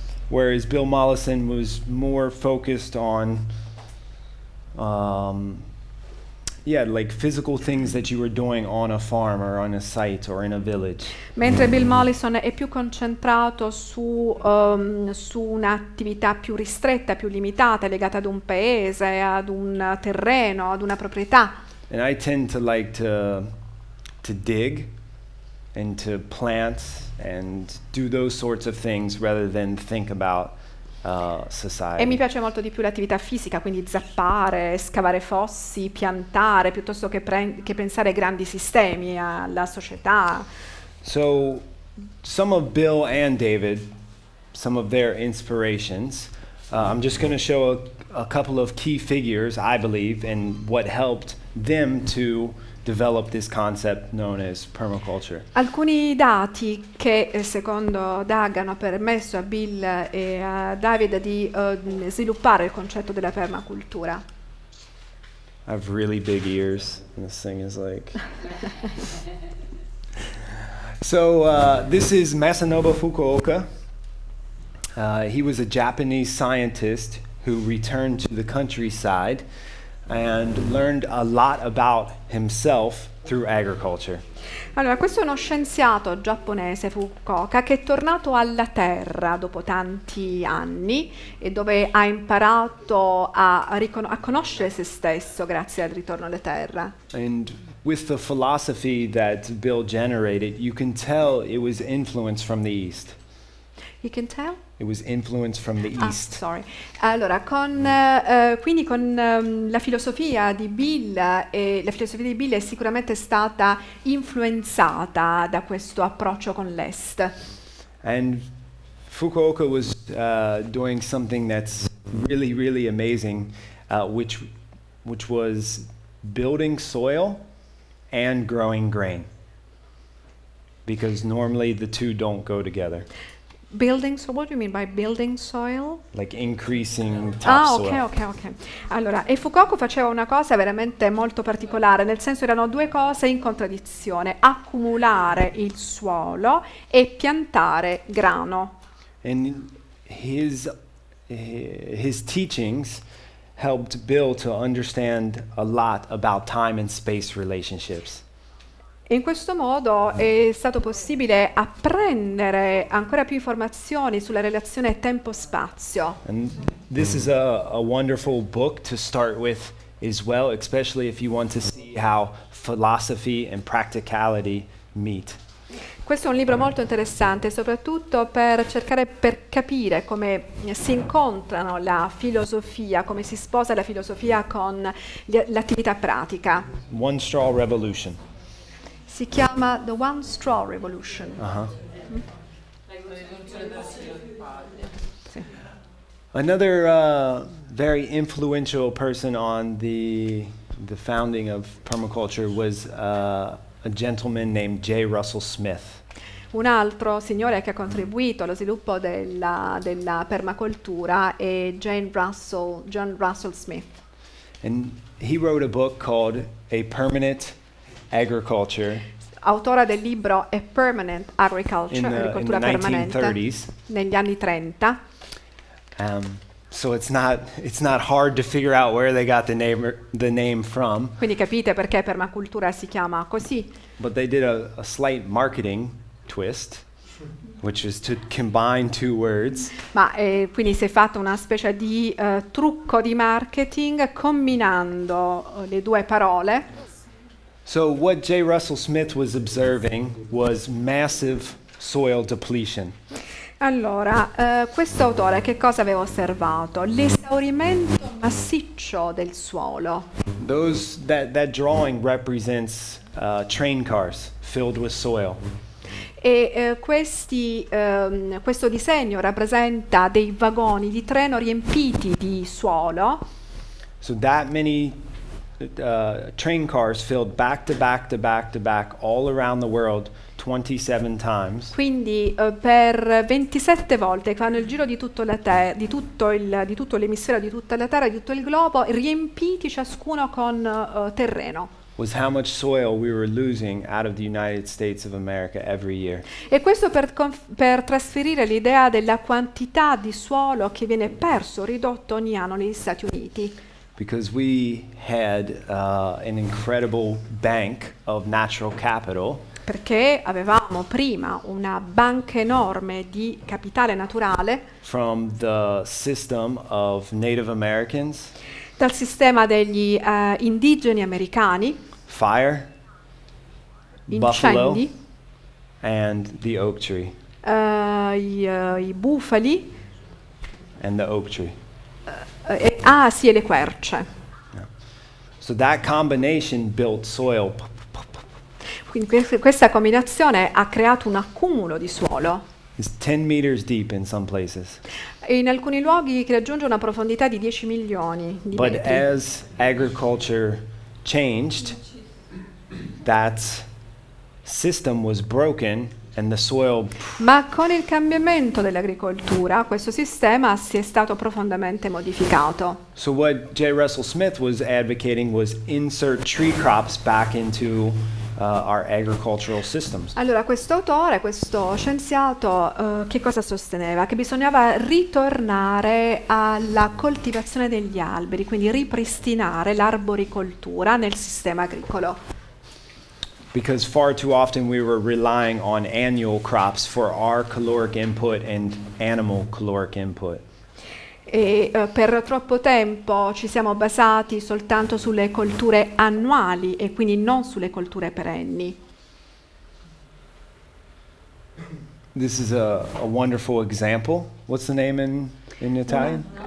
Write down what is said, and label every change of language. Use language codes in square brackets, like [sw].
[en] Whereas Bill Mollison was more focused on, yeah, like physical things that you were doing on a farm or on a site or in a village. [it] Mentre Bill Mollison è più concentrato su su un'attività più ristretta, più limitata, legata ad un paese, ad un terreno, ad una proprietà. [en] And I tend to like to dig and to plant and do those sorts of things rather than think about society. [it] E mi piace molto di più l'attività fisica, quindi zappare, scavare fossi, piantare, piuttosto che pensare ai grandi sistemi, alla società. [en] So some of Bill and David, some of their inspirations, I'm just going to show a couple of key figures, I believe, and what helped them to develop this concept known as permaculture. [it] Alcuni dati che secondo Doug hanno permesso a Bill e a David di sviluppare il concetto della permacultura. [en] I have really big ears and this thing is like so this is Masanobu Fukuoka. He was a Japanese scientist who returned to the countryside and learned a lot about himself through agriculture. [it] Allora, questo è uno scienziato giapponese, Fukuoka, che è tornato alla terra dopo tanti anni e dove ha imparato a conoscere se stesso grazie al ritorno alla terra. [en] And with the philosophy that Bill generated, you can tell it was influenced from the East. You can tell? It was influenced from the East. Ah, sorry. [it] Allora, con quindi con la filosofia di Bill la filosofia di Bill è sicuramente stata influenzata da questo approccio con l'Est. [en] And Fukuoka was doing something that's really, really amazing, which was building soil and growing grain, because normally the two don't go together. Building, so what do you mean by building soil? Like increasing topsoil. Ah, ok. [it] Allora, e Fukuoka faceva una cosa veramente molto particolare, nel senso erano due cose in contraddizione, accumulare il suolo e piantare grano. [en] And his teachings helped Bill to understand a lot about time and space relationships. [it] In questo modo è stato possibile apprendere ancora più informazioni sulla relazione tempo-spazio. [en] And this is a wonderful book to start with as well, especially if you want to see how philosophy and practicality meet. [it] Questo è un libro molto interessante, soprattutto per cercare per capire come si incontrano la filosofia, come si sposa la filosofia con l'attività pratica. [en] One Straw Revolution. [it] Si chiama The One Straw Revolution. [en] Another very influential person on the founding of permaculture was a gentleman named J. Russell Smith. [it] Un altro signore che ha contribuito allo sviluppo della permacultura è John Russell Smith. [en] And he wrote a book called A Permanent Agriculture. [it] Autore del libro A Permanent Agriculture, agricoltura permanente, negli anni 30. [en] So it's not hard to figure out where they got the name from. [it] Quindi capite perché permacultura si chiama così. [en] But they did a slight marketing twist, which is to combine two words. [it] Ma quindi si è fatto una specie di trucco di marketing combinando le due parole. [en] So what J. Russell Smith was observing was massive soil depletion. [it] Allora, questo autore che cosa aveva osservato? L'esaurimento massiccio del suolo. [en] Those that drawing represents train cars filled with soil. [it] E questo disegno rappresenta dei vagoni di treno riempiti di suolo. [en] So that many train cars filled back to back to back to back all around the world 27 times. [it] Quindi per 27 volte fanno il giro di tutto la terra, di tutto l'emisfero, di tutta la terra, di tutto il globo, riempiti ciascuno con terreno. [en] Was how much soil we were losing out of the United States of America every year. [it] E questo per trasferire l'idea della quantità di suolo che viene perso, ridotto ogni anno negli Stati Uniti. [en] Because we had an incredible bank of natural capital. [it] Perché avevamo prima una banca enorme di capitale naturale. [en] From the system of Native Americans. [it] Dal sistema degli indigeni americani. [en] Fire. [it] Incendi. [en] Buffalo. And the oak tree. [it] I bufali. [en] And the oak tree. [it] Sì, e le querce. [en] So that combination built soil. [it] Quindi questa combinazione ha creato un accumulo di suolo. [en] It's 10 meters deep in some places. [it] In alcuni luoghi che raggiunge una profondità di 10 milioni di [en] But [it] metri. [en] But as agriculture changed, that system was broken and the soil. [it] Ma con il cambiamento dell'agricoltura, questo sistema si è stato profondamente modificato. [en] So what J. Russell Smith was advocating was insert tree crops back into our agricultural systems. [it] Allora, quest'autore, questo scienziato, che cosa sosteneva? Che bisognava ritornare alla coltivazione degli alberi, quindi ripristinare l'arboricoltura nel sistema agricolo. [en] Because far too often we were relying on annual crops for our caloric input and animal caloric input. [it] E per troppo tempo ci siamo basati soltanto sulle colture annuali e quindi non sulle colture perenni. [en] This is a wonderful example. What's the name in Italian?